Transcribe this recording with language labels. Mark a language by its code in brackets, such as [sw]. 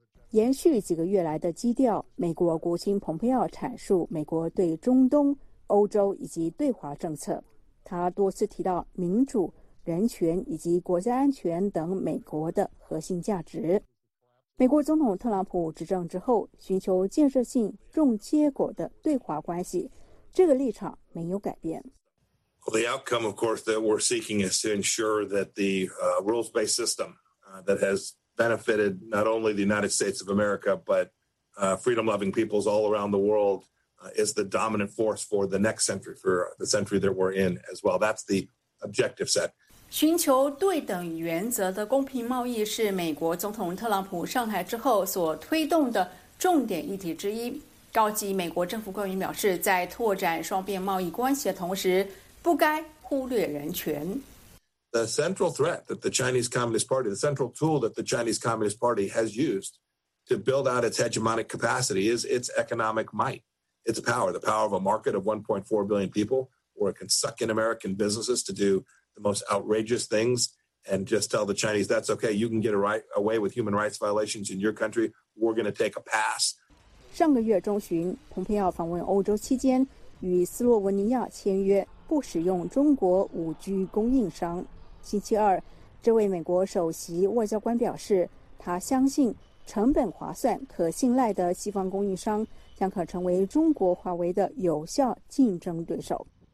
[zh] 延续几个月来的基调，美国国务卿蓬佩奥阐述美国对中东、欧洲以及对华政策。他多次提到民主、人权以及国家安全等美国的核心价值。美国总统特朗普执政之后，寻求建设性、重结果的对华关系，这个立场没有改变。 [en] Well, the outcome, of course, that we're seeking is to ensure that the rules-based system that has benefited not only the United States of America, but freedom-loving peoples all around the world is the dominant force for the next century, for the century that we're in as well. That's the objective set. [zh] 寻求对等原则的公平贸易是美国总统特朗普上台之后所推动的重点议题之一。高级美国政府官员表示，在拓展双边贸易关系的同时，不该忽略人权。 [en] The central threat that the Chinese Communist Party, the central tool that the Chinese Communist Party has used to build out its hegemonic capacity is its economic might, its power, the power of a market of 1.4 billion people, where it can suck in American businesses to do the most outrageous things and just tell the Chinese, that's okay, you can get away with human rights violations in your country, we're going to take a pass. [zh] 上个月中旬，蓬佩奥访问欧洲期间，与斯洛文尼亚签约不使用中国 5G 供应商。星期二，这位美国首席外交官表示，他相信成本划算、可信赖的西方供应商将可成为中国华为的有效竞争对手。